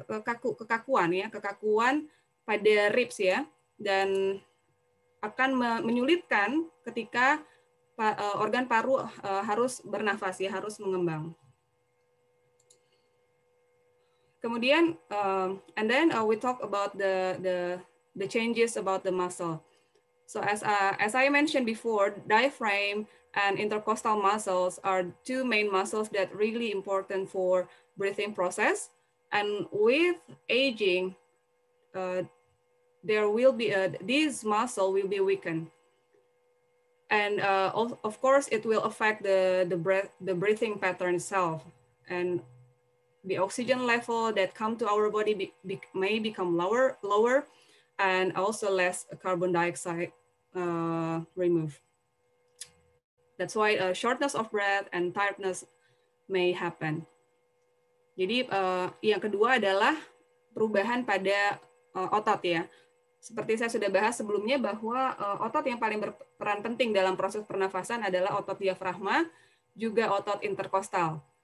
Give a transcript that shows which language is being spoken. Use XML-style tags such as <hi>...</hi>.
<id>kekakuan pada ribs ya, dan akan menyulitkan ketika organ paru harus bernafas ya, harus mengembang.</id> <en>Kemudian, we talk about the changes about the muscle. So as I mentioned before, diaphragm and intercostal muscles are two main muscles that are really important for breathing process. And with aging, these muscles will be weakened. And of course, it will affect the breathing pattern itself. And the oxygen level that come to our body may become lower, and also less carbon dioxide removed. That's why a shortness of breath and tiredness may happen.</en> <id>Jadi yang kedua adalah perubahan pada otot ya. Seperti saya sudah bahas sebelumnya bahwa otot yang paling berperan penting dalam proses pernafasan adalah otot diafragma, juga otot interkostal.</id>